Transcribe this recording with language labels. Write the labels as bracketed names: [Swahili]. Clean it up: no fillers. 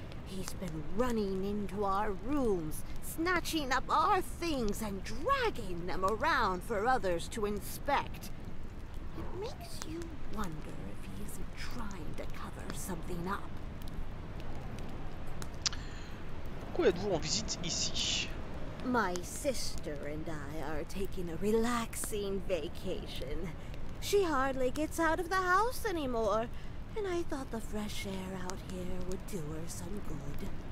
[English] He's been running into our rooms, snatching up our things and dragging them around for others to inspect. It makes you wonder if he isn't trying to cover something up. [French] Pourquoi êtes-vous en visite ici? [English] My sister and I are taking a relaxing vacation. She hardly gets out of the house anymore, and I thought the fresh air out here would do her some good.